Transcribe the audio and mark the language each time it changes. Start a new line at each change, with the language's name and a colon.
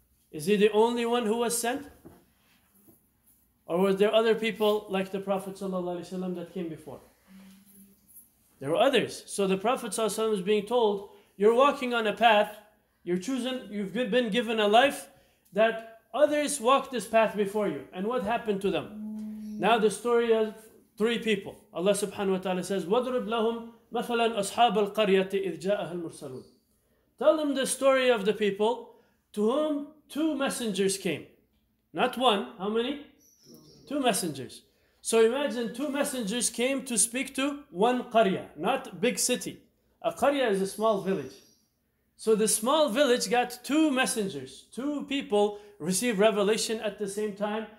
English: Is he the only one who was sent? Or were there other people like the Prophet sallallahu alaihi wasallam that came before? There were others. So the Prophet sallallahu alaihi wasallam is being told, you're walking on a path, you're chosen, you've been given a life that others walked this path before you. And what happened to them? Now the story of three people.
Arabic: Allah subhanahu wa ta'ala says, وَضْرِبْ لَهُمْ مَثَلًا أَصْحَابَ الْقَرْيَةِ إِذْ جَاءَهَا الْمُرْسَلُونَ.
English: Tell them the story of the people to whom two messengers came. Not one, how many? Two messengers. So imagine two messengers came to speak to one qarya, not big city. A qarya is a small village. So the small village got two messengers, two people receive revelation at the same time.